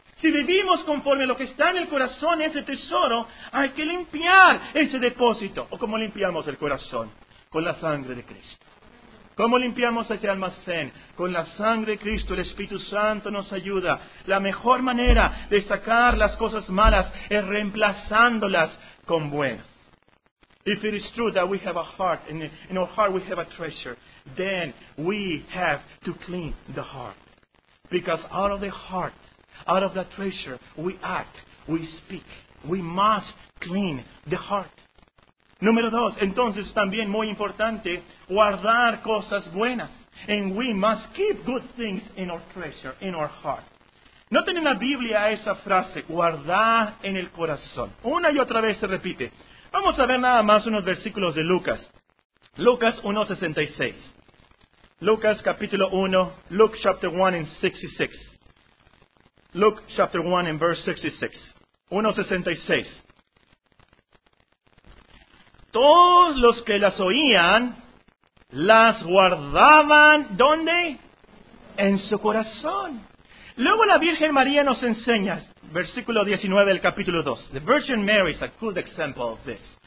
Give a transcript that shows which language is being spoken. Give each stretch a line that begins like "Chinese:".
Spanish: Si vivimos conforme a lo que está en el corazón, ese tesoro, hay que limpiar ese depósito. ¿O cómo limpiamos el corazón? Con la sangre de Cristo. ¿Cómo limpiamos ese almacén? Con la sangre de Cristo, el Espíritu Santo nos ayuda. La mejor manera de sacar las cosas malas es reemplazándolas con buenas.
English: If it is true that we have a heart, in our heart we have a treasure, then we have to clean the heart. Because out of the heart, out of the treasure, we act, we speak. We must clean the heart.
Spanish: Número dos, entonces también muy importante, guardar cosas buenas.
English: And we must keep good things in our treasure, in our heart.
Spanish: Noten en la Biblia esa frase, guardar en el corazón. Una y otra vez se repite. Vamos a ver nada más unos versículos de Lucas. Lucas 1:66. Lucas capítulo 1,
English: Luke chapter 1 and 66.
Spanish: Luke chapter 1 and verse 66. 1:66. Todos los que las oían, las guardaban, ¿dónde? En su corazón. Luego la Virgen María nos enseña, versículo 19 del capítulo 2.
English: The Virgin Mary is a good example of this.